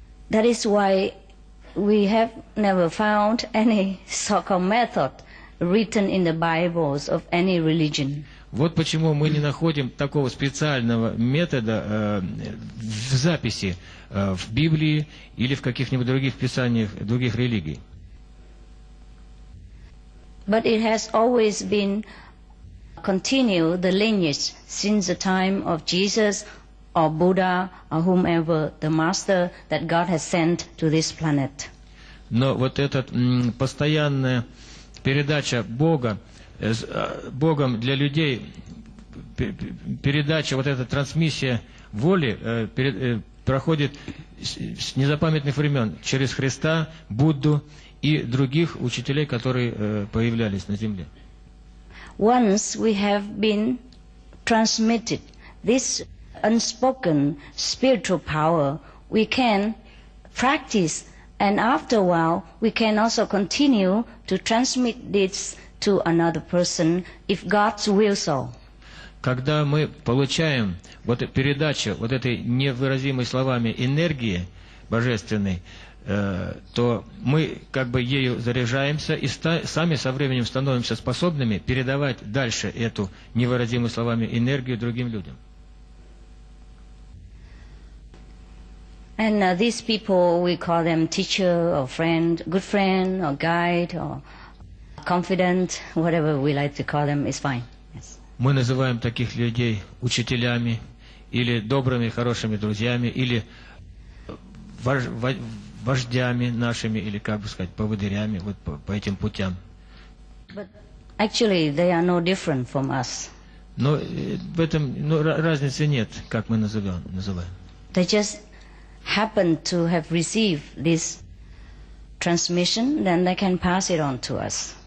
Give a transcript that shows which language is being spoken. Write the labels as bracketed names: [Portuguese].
[English] That is why we have never found any so-called method written in the Bibles of any religion. [Russian] Вот почему мы не находим такого специального метода в записи в Библии или в каких-нибудь других писаниях других религий. [English] But it has always been continued the lineage since the time of Jesus or Buddha or whomever the master that God has sent to this planet. [Russian] Но вот эта постоянная передача Бога с Богом для людей, передача, вот эта трансмиссия воли проходит с незапамятных времен через Христа, Будду и других учителей, которые появлялись на земле. [English] Once we have been transmitted this unspoken spiritual power, we can practice, and after a while we can also continue to transmit this to another person if God wills so. [Russian] Когда мы получаем вот передачу вот этой невыразимой словами энергии божественной, то мы как бы ею заряжаемся и сами со временем становимся способными передавать дальше эту невыразимую словами энергию другим людям. [English] And these people, we call them teacher or friend, good friend or guide or confidant, whatever we like to call them, is fine. Yes. [Russian] Мы называем таких людей учителями или добрыми, хорошими друзьями или вождями нашими, или как бы сказать, поводырями, вот по этим путям. [English] But actually they are no different from us. [Russian] Но в этом разницы нет, как мы называем. [English] They just happen to have received this transmission, then they can pass it on to us.